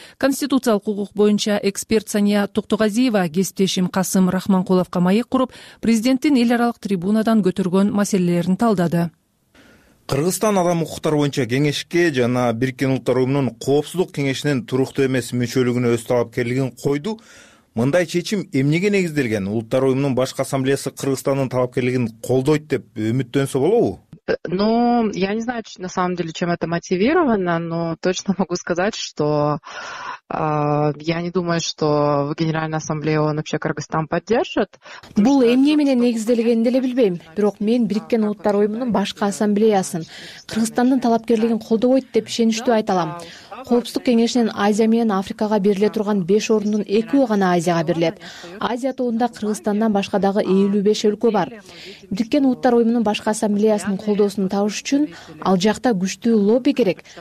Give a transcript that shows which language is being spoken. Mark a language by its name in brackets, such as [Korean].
[Kyrgyz] Конституциялык укук боюнча эксперт Сания Токтогазиева кесиптешим Касым Рахманкуловко маек куруп, президенттин эл аралык трибунадан көтөргөн маселелерин талдады. Кыргызстан адам укуктары боюнча кеңешке жана Бириккен Улуттар Уюмунун коопсуздук кеңешинин туруктуу эмес мүчөлүгүнө өз талапкерлигин койду. Мындай чечим эмнеге негизделген? Улуттар уюмунун баш ассамблеясы Кыргызстандын талапкерлигин колдойт деп үмүттөнсө болобу? [Russian] Ну, я не знаю, на самом деле, чем это мотивировано, но точно могу сказать, что я не думаю, что в Генеральной Ассамблее он вообще Кыргызстан поддержит. [Kyrgyz] Бул эмне менен негизделгенин деле билбейм, бирок мен Бириккен Улуттар Уюмунун башкы ассамблеясын Кыргызстандын талапкерлигин колдобойт деп ишеништүү айта алам. Коопсуздук кеңешинен Азия менен Африкага бериле турган 5 орундун 2 гана Азияга берилет. Азия тобунда Кыргызстандан башка дагы 55 өлкө бар. Бириккен Улуттар Уюмунун башкы ассамблеясынын колдоосун табыш үчүн ал жакта күчтүү лобби керек.